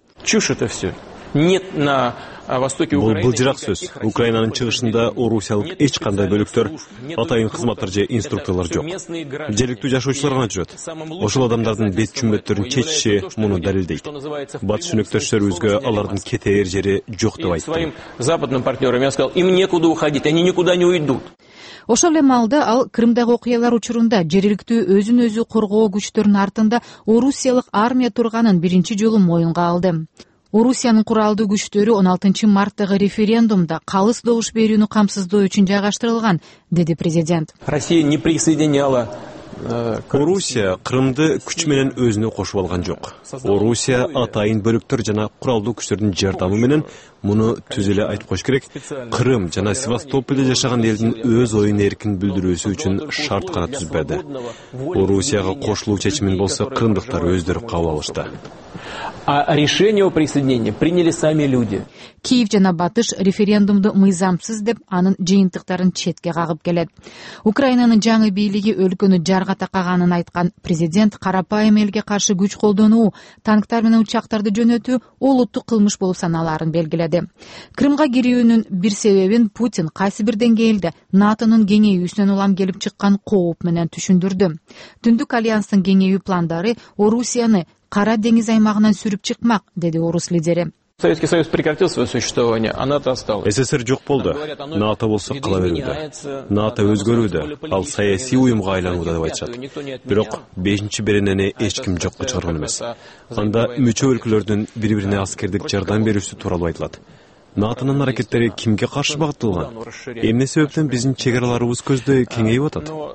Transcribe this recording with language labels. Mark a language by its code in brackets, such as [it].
[ru] Чушь это все. Нет на востоке Украины. [ky] Бул былжырак сөз. Украинанын чыгышында орусиялык эч кандай бөлүктөр, атайын кызматтар же инструкторлор жок. Жергиликтүү жашоочулар гана жүрөт. Ошол адамдардын бет чүмөттөрүн чечиши муну далилдейт. Батыш өнөктөштөрүбүзгө алардын кетер жери жок деп айтты. [ru] Своим западным партнёрам я сказал: "Им некуда уходить, они никуда не уйдут". [ky] Ошол эле маалда ал Крымдагы окуялар учурунда жергиликтүү өзүн өзү коргоо күчтөрүнүн артында орусиялык армия турганын биринчи жолу моюнга алды. Орусиянын куралдуу күчтөрү 16 марттагы референдумда калыс добуш берүүнү камсыздоо үчүн жайгаштырылган, деди президент. [ru] Россия не присоединяла [ky] Орусия Кырымды күч менен өзүнө кошуп алган жок. Орусия атайын бөлүктөр жана куралдуу күчтөрдүн жардамы менен муну түз эле айтып койш керек. Кырым жана Севастополде жашаган элдин өз оюн эркин билдирүүсү үчүн шарт гана түзбөдү. Орусияга кошулуу чечимин болсо кырымдыктар өздөрү кабыл алышты. [ru] А решение о присоединении приняли сами люди. [ky] Киев жана Батыш референдумду мыйзамсыз деп, анын жыйынтыктарын четке кагып келет. Украинанын жаңы бийлиги өлкөнү жарга такаганын айткан президент карапайым элге каршы күч колдонуу, танктар менен учактарды жөнөтүү улуттук кылмыш болуп саналарын белгиледи. Кырымга кирүүнүн бир себебин Путин кайсы бир деңгээлде НАТОнун кеңейүүсүнөн улам келип чыккан кооп менен түшүндүрдү. Түндүк альянстын кеңейүү пландары Орусияны Кара деңиз аймагынан сүрүп чыкмак, деди орус лидери. [ru] Советский Союз прекратил своё существование, а НАТО осталось. [ky] СССР жок болду. НАТО болсо кала берүүдө. НАТО өзгөрүүдө, ал саясий уюмга айланууда деп айтышат. Бирок 5-чи беренени эч ким жокко чыгарган эмес. Анда мүчө өлкөлөрдүн бири-бирине аскердик жардам берүүсү тууралуу айтылат. НАТОнун аракеттери кимге каршы багытталган? Эмне себептен биздин чек араларыбыз көздөй кеңейип атат?